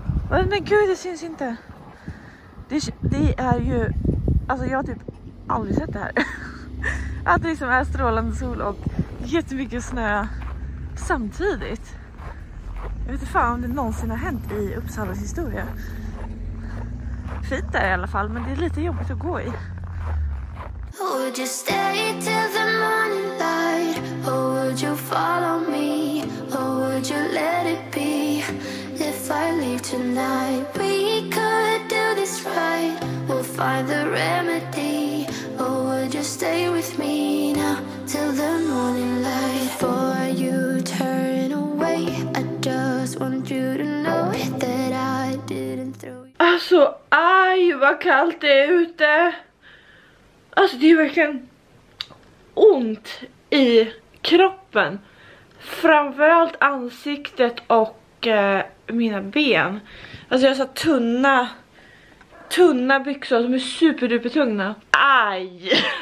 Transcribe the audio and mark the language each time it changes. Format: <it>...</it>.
<sv>Men gud, det syns inte. Det är ju, alltså jag har typ aldrig sett det här. Att det liksom är strålande sol och jättemycket snö samtidigt. Jag vet inte fan om det någonsin har hänt i Uppsalas historia. Fint där i alla fall, men det är lite jobbigt att gå i.</sv> <en>Would you stay till the morning light? Or would you follow me? Or would you let it be? If I leave tonight, we could do this right. We'll find the remedy. Or would you stay with me now till the morning light? Before you turn away, I just want you to know that I didn't throw you.</en> <sv>Alltså, aj, vad kallt det är ute. Alltså det är verkligen ont i kroppen. Framförallt ansiktet och mina ben. Alltså jag har så tunna byxor som är superduper tunga. Aj!</sv>